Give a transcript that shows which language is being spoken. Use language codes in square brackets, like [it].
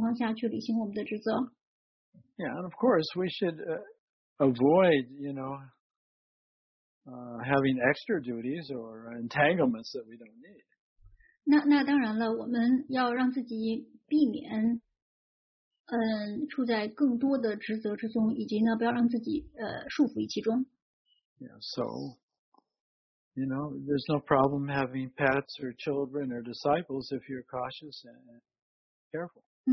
[zh] 所以呢，我们就应该让自己处在一个超然的境界，但与此同时呢，要在不依附的情况下去履行我们的职责。Yeah, [en] and of course we should avoid, you know, having extra duties or entanglements that we don't need. [zh] 那当然了，我们要让自己避免处在更多的职责之中，以及呢，不要让自己束缚于其中。Yeah, [en] so. You know, there's no problem having pets or children or disciples if you're cautious and careful.